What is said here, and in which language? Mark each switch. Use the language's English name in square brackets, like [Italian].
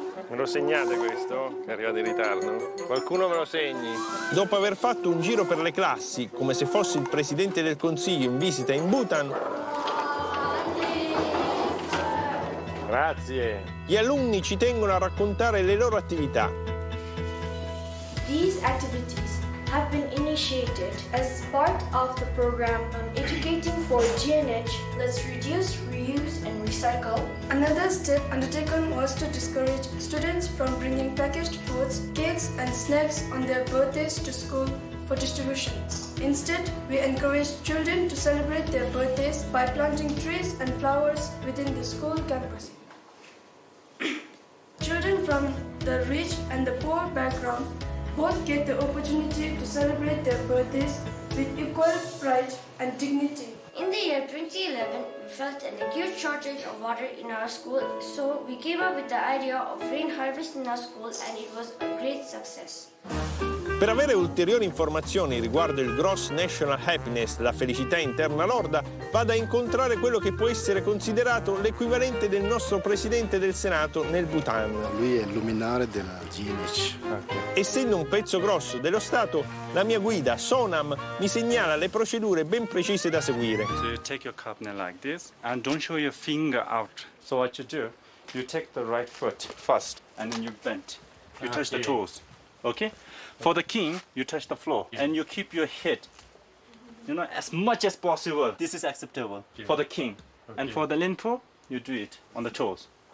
[Italian] Me lo segnate questo? Che arriva in ritardo? Qualcuno me lo segni. Dopo aver fatto un giro per le classi, come se fosse il presidente del consiglio in visita in Bhutan. Grazie. Gli alunni ci tengono a raccontare le loro attività. [English] These activities have been initiated as part of the program on educating for GNH. Let's reduce, reuse and recycle. Another step undertaken was to discourage students from bringing packaged foods, cakes and snacks on their birthdays to school for distributions. Instead, we encourage children to celebrate their birthdays by planting trees and flowers within the school campus. Children from the rich and the poor background both get the opportunity to celebrate their birthdays with equal pride and dignity. In the year 2011, we felt an acute shortage of water in our school, so we came up with the idea of rain harvest in our school and it was a great success. [Italian] Per avere ulteriori informazioni riguardo il Gross National Happiness, la felicità interna lorda, vada a incontrare quello che può essere considerato l'equivalente del nostro presidente del Senato nel Bhutan. Lui è il luminare della GNH. Essendo un pezzo grosso dello Stato, la mia guida, Sonam, mi segnala le procedure ben precise da seguire. [English] So you take your cupner like this and don't show your finger out. So what you do, you take the right foot first and then you bend. You touch the toes. Okay? For the king, you touch the floor and you keep your head, you know, as much as possible. This is acceptable for the king. Okay. And for the linpo, you do it on the toes.